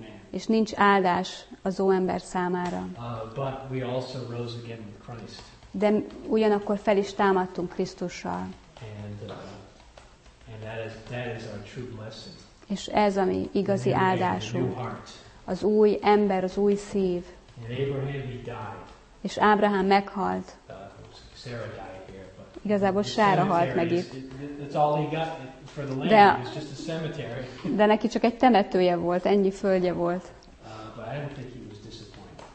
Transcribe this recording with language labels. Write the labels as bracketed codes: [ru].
[hu] És nincs áldás az óember számára. [en] But we also rose again with Christ. [hu] De ugyanakkor fel is támadtunk Krisztussal. [en] And that is our true blessing. [hu] És ez a mi igazi áldásunk. Az új ember, az új szív. [en] And Abraham, he died. [hu] És Ábrahám meghalt. [en] Sarah died here, but [hu] igazából Sára halt meg itt. [en] That's all he got for the land. It's just a cemetery. [hu] De neki csak egy temetője volt, ennyi földje volt. [en] I don't think he was disappointed.